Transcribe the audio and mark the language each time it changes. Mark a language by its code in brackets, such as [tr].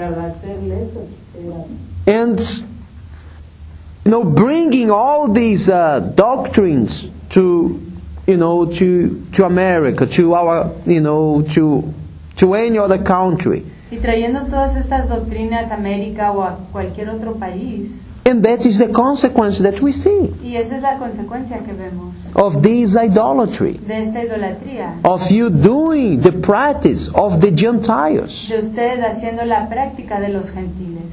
[pt] ao fazer isso, [en] and you know, bringing all these doctrines to, you know, to America, to our, you know, to any other country. [es] Y trayendo todas estas doctrinas a América o a cualquier otro país. [en] And that is the consequence that we see. [es] Y esa es la consecuencia que vemos. [en] Of this idolatry. [es] De esta idolatría. [en] Of you doing the practice of the Gentiles. [es] De usted haciendo la práctica de los gentiles.